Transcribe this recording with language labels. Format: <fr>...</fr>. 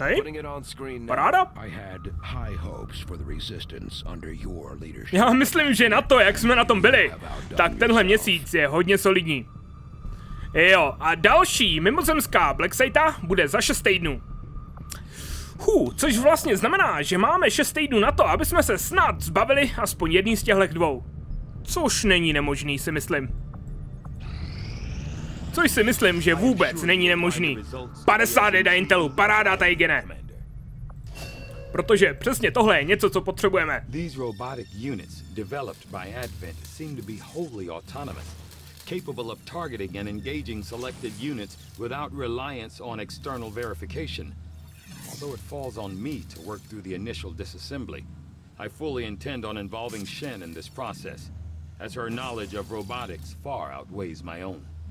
<en>Putting it on screen now.</en> <cs>Paráda.</cs> <en>I had high hopes for the resistance under your leadership.</en> <cs>Já myslím, že na to, jak jsme na tom byli, tak tenhle měsíc je hodně solidní. Jo, a další mimozemská Blacksita bude za 6 týdnů. Což vlastně znamená, že máme 6 týdnů na to, aby jsme se snad zbavili aspoň jedný z těchhle dvou. Což není nemožný, si myslím. Což si myslím, že vůbec není nemožný. 51 Intelu, paráda, Taigene. Protože přesně tohle je něco, co potřebujeme.</cs> <en>These robotic units developed by Advent seem to be wholly autonomous, capable of targeting and engaging selected units without reliance on external verification. Although it falls on me to work through the initial disassembly, I fully intend on involving Shen in this process, as her knowledge of robotics far outweighs my own.</en>